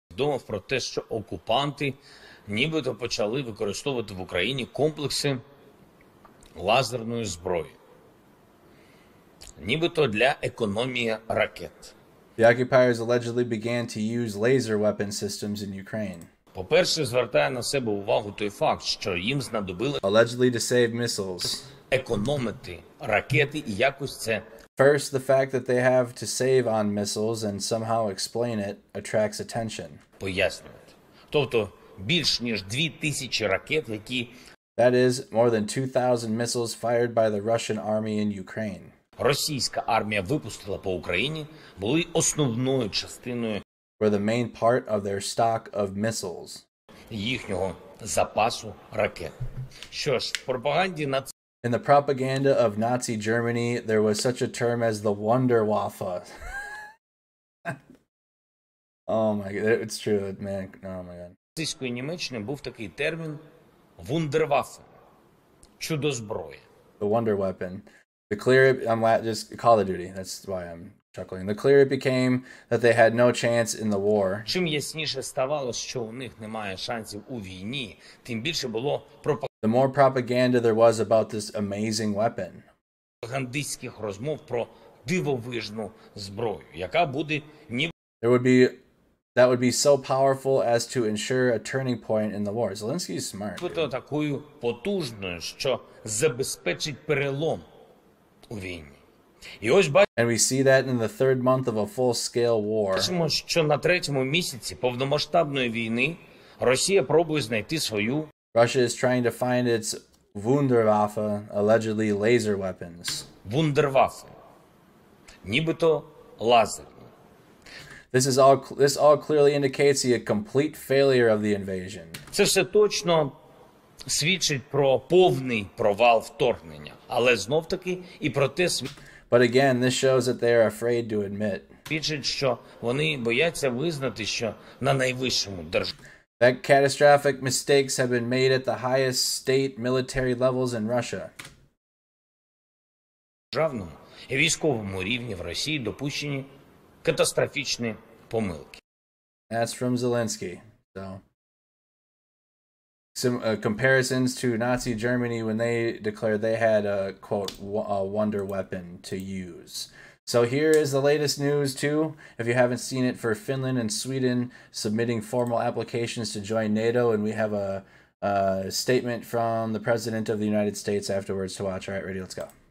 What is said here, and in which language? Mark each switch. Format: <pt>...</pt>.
<uk>Думав про те, що окупанти нібито почали використовувати в Україні комплекси лазерної зброї. Нібито для економії ракет.</uk> <en>The occupiers allegedly began to use laser weapon systems in Ukraine.</en> <uk>По-перше, звертає на себе увагу той факт, що їм знадобили</uk> <en>allegedly to save missiles.</en> <uk>Економити ракети і якось це.</uk> <en>First, the fact that they have to save on missiles and somehow explain it attracts attention.</en> <uk>Пояснювати. Тобто, більш ніж 2000 ракет, які</uk> <en>that is more than 2000 missiles fired by the Russian army in Ukraine.</en> <uk>Російська армія випустила по Україні були основною частиною</uk> <en>were the main part of their stock of missiles.</en> <uk>Їхнього запасу ракет. Що ж, пропаганді Nazi</uk> <en>in the propaganda of Nazi Germany, there was such a term as the Wunderwaffe. Oh my god, it's true, man. Oh my god.</en> <uk>Нацистської Німеччини був такий термін Wunderwaffe. Чудозброя.</uk> <en>The Wonder Weapon. The clear I'm just Call of Duty. That's why I'm chuckling. The clearer it became that they had no chance in the war.</en> <uk>Чим ясніше ставало, що у них немає шансів у війні, тим більше було пропаганди.</uk> <en>The more propaganda there was about this amazing weapon.</en> <uk>Пропагандистських розмов про дивовижну зброю, яка буде ні</uk> <en>there would be that would be so powerful as to ensure a turning point in the war. Zelensky's smart.</en> <uk>Буде такою потужною, що забезпечить перелом у війні.</uk> <en>And we see that in the third month of a full-scale war.</en> <uk>Що на третьому місяці повномасштабної війни Росія пробує знайти свою</uk> <en>Russia is trying to find its Wunderwaffe, allegedly laser weapons.</en> <uk>Wunderwaffe. Нібито лазер.</uk> <en>This all clearly indicates a complete failure of the invasion.</en> <uk>Це все точно свідчить про повний провал вторгнення, але знов-таки і про те</uk> <en>But again, this shows that they are afraid to admit.</en> <uk>Що вони бояться визнати, що на найвищому</uk> <en>That catastrophic mistakes have been made at the highest state military levels in Russia.</en> <uk>Державному і військовому рівні в Росії допущені катастрофічні помилки.</uk> <en>That's from Zelensky. So some comparisons to Nazi Germany when they declared they had a quote a wonder weapon to use. So here is the latest news too. If you haven't seen it, for Finland and Sweden submitting formal applications to join NATO, and we have a statement from the President of the United States afterwards to watch. All right, ready? Let's go.</en>